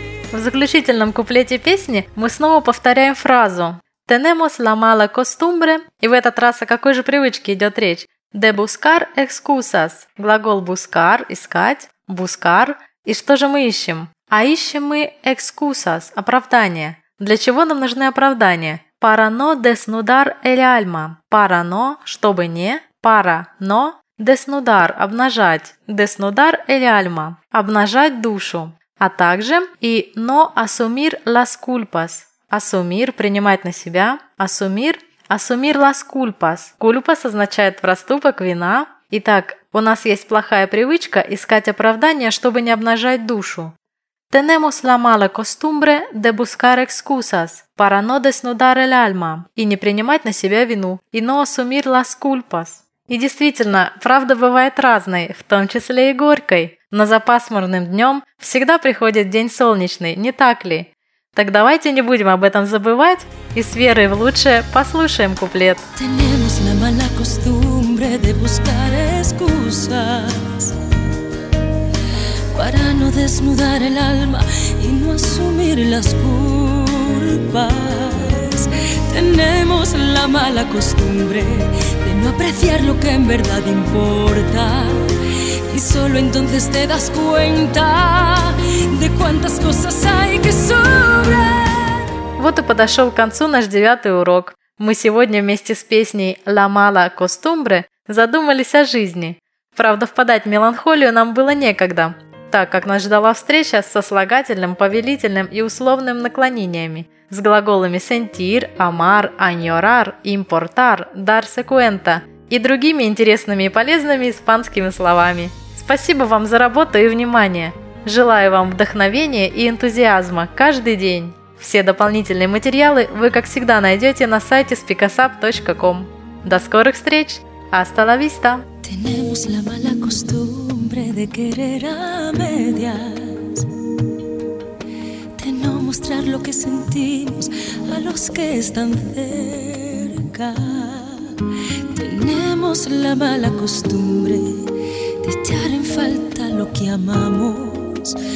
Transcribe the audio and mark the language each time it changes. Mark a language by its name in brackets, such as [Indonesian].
[Russian] В заключительном куплете песни мы снова повторяем фразу [Spanish] «Tenemos la mala costumbre» [Russian] и в этот раз о какой же привычке идет речь? [Spanish] «De buscar excusas» – [Russian] глагол [Spanish] «buscar» – [Russian] «искать», [Spanish] «buscar». [Russian] И что же мы ищем? А ищем мы «excusas» – «оправдание». Для чего нам нужны оправдания? [Spanish] «Para no desnudar el alma» – «para no» – [Russian] «чтобы не», [Spanish] «para no» – «desnudar» – [Russian] «обнажать», [Spanish] «desnudar el alma» – [Russian] «обнажать душу». А также и [Spanish] «no asumir las culpas» – «assumir» – [Russian] «принимать на себя», [Spanish] «assumir» – «assumir las culpas». [Russian] «Culpas» означает «проступок», «вина». Итак, у нас есть плохая привычка искать оправдания, чтобы не обнажать душу. [Spanish] «Tenemos la mala costumbre de buscar excusas para no desnudar el alma» – [Russian] «и не принимать на себя вину» [Spanish] – «и no asumir las culpas». [Russian] И действительно, правда бывает разной, в том числе и горькой. Но за пасмурным днем всегда приходит день солнечный, не так ли? Так давайте не будем об этом забывать и с верой в лучшее послушаем куплет. [Spanish] Tenemos la mala costumbre de buscar excusas para no desnudar el alma y no asumir las culpas. Tenemos la mala costumbre de no apreciar lo que en verdad importa. Y solo entonces te das cuenta de cuántas cosas hay que sobrar. [Russian] Вот и подошел к концу наш девятый урок. Мы сегодня вместе с песней «La mala costumbre» задумались о жизни. Правда, впадать в меланхолию нам было некогда, так как нас ждала встреча со слагательным, повелительным и условным наклонениями, с глаголами «sentir», «amar», «añorar», «importar», «darse cuenta» и другими интересными и полезными испанскими словами. Спасибо вам за работу и внимание. Желаю вам вдохновения и энтузиазма каждый день. Все дополнительные материалы вы, как всегда, найдете на сайте spicasap.com. До скорых встреч! [Spanish] Hasta la vista! Tenemos la mala costumbre de querer a medias, de no mostrar lo que sentimos a los que están cerca. Tenemos la mala costumbre de echar en falta lo que amamos.